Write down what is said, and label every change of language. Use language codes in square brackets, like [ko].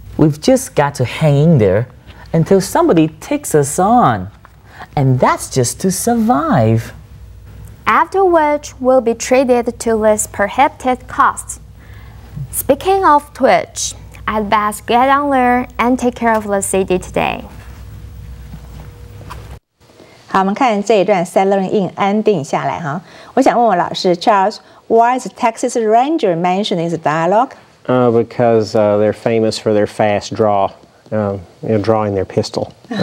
[en] We've just got to hang in there until somebody takes us on. And that's just to survive. After which we'll be treated to less prohibited costs. Speaking of Twitch, I'd best get on there and take care of the city today. [zh] 好，我们看这一段 [en] settling in [zh] 安定下来哈。我想问我老师 [en] Charles, why is Texas Ranger mentioned in the dialogue? Because they're famous for their fast draw, drawing their pistol.